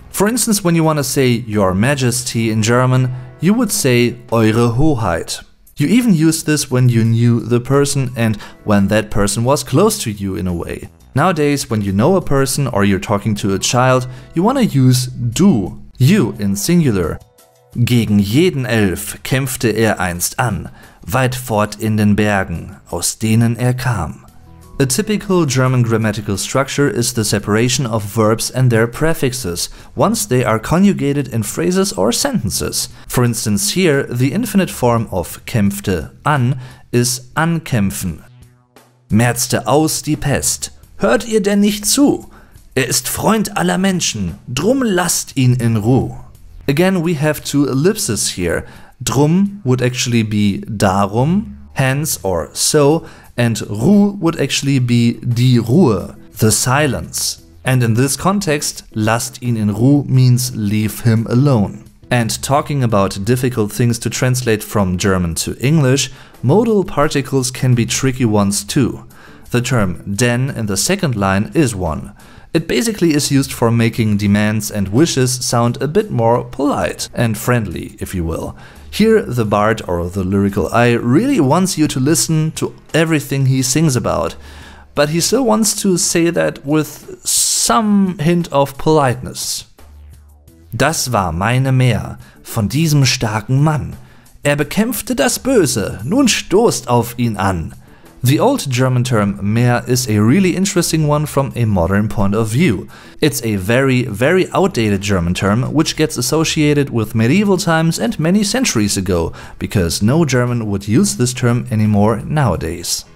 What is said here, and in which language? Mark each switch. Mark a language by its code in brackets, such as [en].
[en] For instance, when you want to say your majesty in German, you would say [de] eure Hoheit. [en] You even used this when you knew the person and when that person was close to you in a way. Nowadays, when you know a person or you're talking to a child, you want to use du, you in singular. [de] Gegen jeden Elf kämpfte einst an, weit fort in den Bergen, aus denen kam. [en] A typical German grammatical structure is the separation of verbs and their prefixes, once they are conjugated in phrases or sentences. For instance here, the infinite form of kämpfte an is ankämpfen. [de] Märzte aus die Pest. Hört ihr denn nicht zu? Er ist Freund aller Menschen, drum lasst ihn in Ruhe. [en] Again, we have two ellipses here. Drum would actually be darum, hence or so, and Ruhe would actually be [de] die Ruhe, [en] the silence. And in this context, [de] lasst ihn in Ruhe [en] means leave him alone. And talking about difficult things to translate from German to English, modal particles can be tricky ones too. The term denn in the second line is one. It basically is used for making demands and wishes sound a bit more polite and friendly, if you will. Here, the bard or the lyrical eye really wants you to listen to everything he sings about, but he still wants to say that with some hint of politeness. [de] Das war meine Mär von diesem starken Mann. Bekämpfte das Böse, nun stoßt auf ihn an. [en] The old German term Mär is a really interesting one from a modern point of view. It's a very, very outdated German term which gets associated with medieval times and many centuries ago, because no German would use this term anymore nowadays.